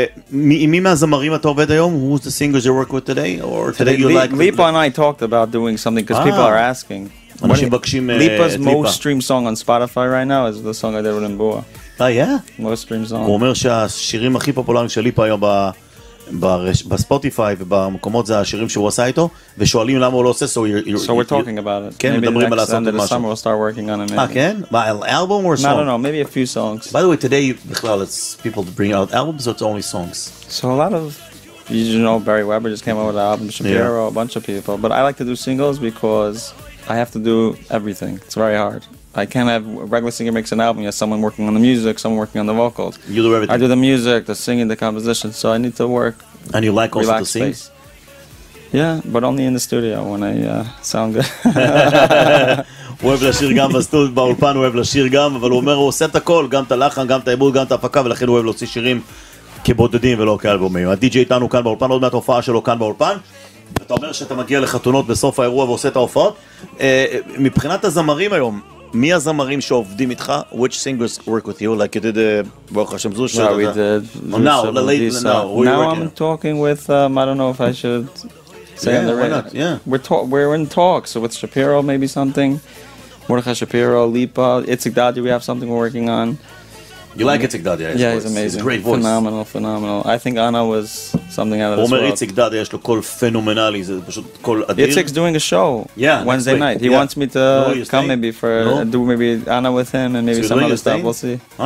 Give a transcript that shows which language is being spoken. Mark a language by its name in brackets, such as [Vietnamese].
[Hebrew] מי מהזמרים אתה עובד היום? [English] Who's the singers you work with today? Or today you like? Lipa and I talked about doing something because people are asking. [Hebrew] אנשים בקשים את Lipa. [English] Lipa's most streamed song on Spotify right now is the song I did with Mboa. Oh yeah? Most streamed song. [Hebrew] הוא אומר שהשירים הכי פופולריים של Lipa היום בספוטיפיי ובמקומות זה השירים שהוא עשה איתו ושואלים למה הוא לא עושה [English] so we're talking about it [Hebrew] כן, מדברים על לעשות משהו [English] summer we'll start working on it [Hebrew] כן? מה, [English] album or song? I don't know, maybe a few songs by the way, today [Hebrew] בכלל [English] it's people to bring out albums or it's only songs? So a lot of you know Barry Weber just came out with an album Shapiro, a bunch of people but I like to do singles because I have to do everything it's very hard I can't have a regular singer makes an album, you have someone working on the music, someone working on the vocals. You do everything. I do the music, the singing, the composition, so I need to work. And you like also to sing? Space. Yeah, but only in the studio when I sound good. [Hebrew] הוא אוהב לשיר גם בסטודיו, באולפן הוא אוהב לשיר גם, אבל הוא אומר, הוא עושה את הכל, גם את הלחן, גם את העיבוד, גם את ההפקה, ולכן הוא אוהב להוציא שירים כבודדים ולא כאלבומים. הדי-ג'י איתנו כאן באולפן, עוד מעט הופעה שלו כאן באולפן. אתה אומר שאתה מגיע לחתונות בסוף האירוע ועושה את ההופעות. מבחינת הזמרים היום, מי הזמרים שעובדים איתך? [English] Which singers work with you? Like you did [Hebrew] ברוך השם [English] זושה. No, we did. Now, the late, now. Now I'm talking with, I don't know if I should say on the radio. Yeah, why not? Yeah. We're in talks. So with Shapiro, maybe something. Mordechai Shapiro, Lipa, Itzik Dadi, we have something we're working on. You like Itzik Dadi, I suppose. Yeah, he's amazing. He's a great voice. Phenomenal, phenomenal. I think Anna was something out of this world. [Hebrew] Omer Itzik Dadi, יש לו קול פנומנלי, זה פשוט קול אדיר. [English] Itzik's doing a show Wednesday night. He wants me to come maybe for, do maybe Anna with him and maybe some other stuff, we'll see.